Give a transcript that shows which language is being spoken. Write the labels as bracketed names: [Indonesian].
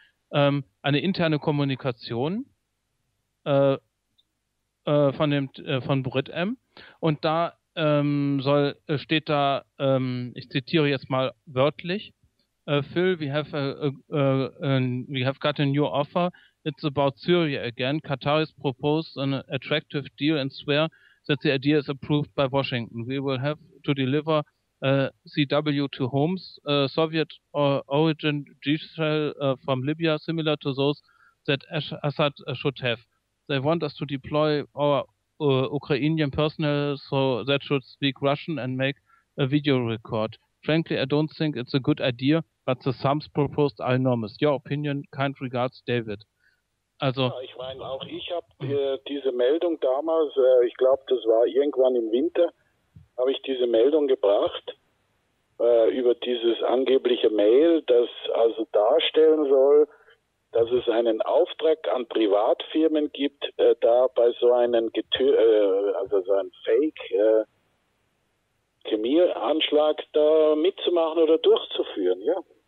[German] Eine interne Kommunikation von dem von Britam, und da steht da, ich zitiere jetzt mal wörtlich: [English] Phil, we have got a new offer. It's about Syria again. Qatar has proposed an attractive deal and swear that the idea is approved by Washington. We will have to deliver CW to Homs, Soviet origin diesel from Libya, similar to those that Assad should have. They want us to deploy our Ukrainian personnel, so that should speak Russian and make a video record. Frankly, I don't think it's a good idea, but the sums proposed are enormous. Your opinion, kind regards, David. [German] Also, ja, ich meine, auch ich habe diese Meldung damals, ich glaube, das war irgendwann im Winter, habe ich diese Meldung gebracht über dieses angebliche Mail, das also darstellen soll, dass es einen Auftrag an Privatfirmen gibt, da bei so einem Fake-Chemieanschlag da mitzumachen oder durchzuführen, ja.